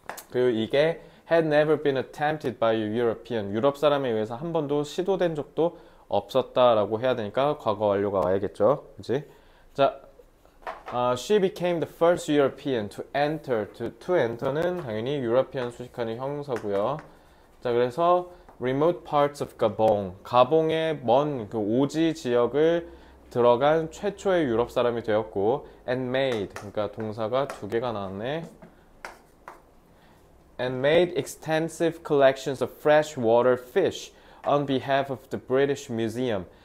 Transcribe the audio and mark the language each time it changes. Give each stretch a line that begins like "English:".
Korean: 그리고 이게
English: had never been attempted by a European.
Korean: 유럽 사람에 의해서 한 번도 시도된 적도 없었다라고 해야 되니까 과거 완료가 와야겠죠. 그치?
English: 자, she became the first European to enter.
Korean: To enter는 당연히 European 수식하는 형사고요. 자, 그래서
English: remote parts of Gabon.
Korean: 가봉의 먼그 오지 지역을 들어간 최초의 유럽 사람이 되었고,
English: and made.
Korean: 그러니까 동사가 두 개가 나왔네.
English: And made extensive collections of freshwater fish on behalf of the British Museum.